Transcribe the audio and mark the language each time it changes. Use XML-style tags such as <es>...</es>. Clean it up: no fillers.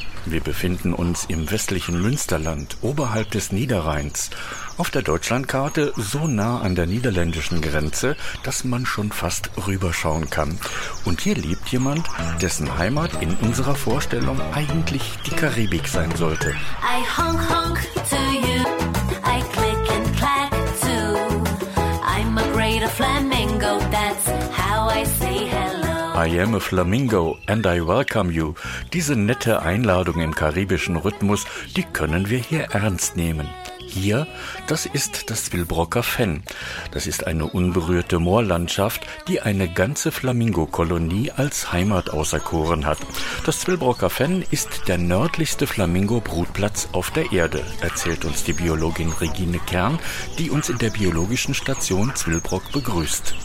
<de>Wir befinden uns im westlichen Münsterland, oberhalb des Niederrheins. Auf der Deutschlandkarte so nah an der niederländischen Grenze, dass man schon fast rüberschauen kann. Und hier lebt jemand, dessen Heimat in unserer Vorstellung eigentlich die Karibik sein sollte.</de> <en>I honk honk to you, I click and clack too. I'm a great flamingo, that's how I say hello. I am a flamingo and I welcome you.</en> <de>Diese nette Einladung im karibischen Rhythmus, die können wir hier ernst nehmen. Hier, das ist das Wilbrocker Fen. Das ist eine unberührte Moorlandschaft, die eine ganze Flamingo-Kolonie als Heimat auserkoren hat. Das Wilbrocker Fen ist der nördlichste Flamingo-Brutplatz auf der Erde, erzählt uns die Biologin Regine Kern, die uns in der biologischen Station Zwillbrock begrüßt.</de>